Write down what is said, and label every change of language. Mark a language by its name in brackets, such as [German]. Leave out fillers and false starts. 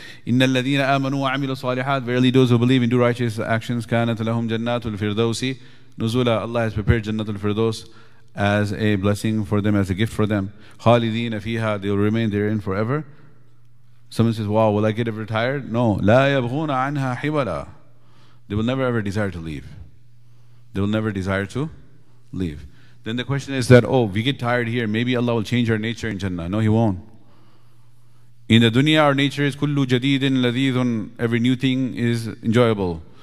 [Arabic] إِنَّ الَّذِينَ آمَنُوا وَعَمِلُوا الصَّالِحَاتِ, [English] verily those who believe and do righteous actions, [Arabic] كَانَتْ لَهُمْ جَنَّاتُ الْفِرْدَوْسِ نُزُلًا. [English] Allah has prepared جَنَّةُ الْفِرْدَوْسِ as a blessing for them, as a gift for them. [Arabic] خَالِدِينَ فِيهَا, [English] they will remain therein forever. Someone says, wow, will I get ever tired? No. [Arabic] لا يبغون عنها حبلا. [English] They will never ever desire to leave. They will never desire to leave. Then the question is that, oh, we get tired here, maybe Allah will change our nature in Jannah. No, He won't. In the dunya, our nature is [Arabic] كل جديد لذيذ, [English] every new thing is enjoyable.